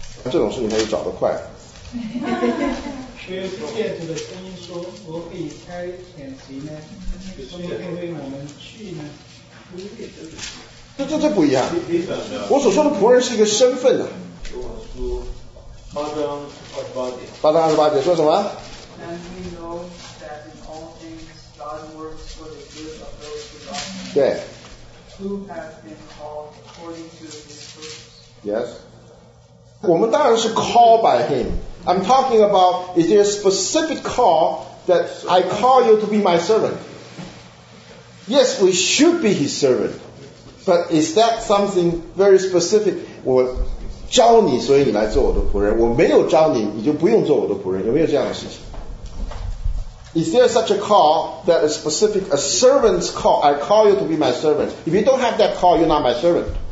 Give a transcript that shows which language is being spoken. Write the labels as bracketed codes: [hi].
[zh] 这种事情他就找得快。却有不见主的声音说：“我可以差遣谁呢？谁可以为我们去呢？” 这不一样。我所说的仆人是一个身份的、啊。跟我说，八章二十八节。八章二十八节说什么 [en] ？And we know that in all things God works for the good of those who love Him. [zh] 对。 [en] Who have been called according to His purpose. Yes. [zh] 我们当然是 [en] called by Him. I'm talking about is there a specific call that I call you to be my servant? Yes, we should be his servant. But is that something very specific? [zh] 我招你，所以你来做我的仆人。我没有招你，你就不用做我的仆人。有没有这样的事情？ [en] Is there such a call that is specific? A servant's call. I call you to be my servant. If you don't have that call, you're not my servant.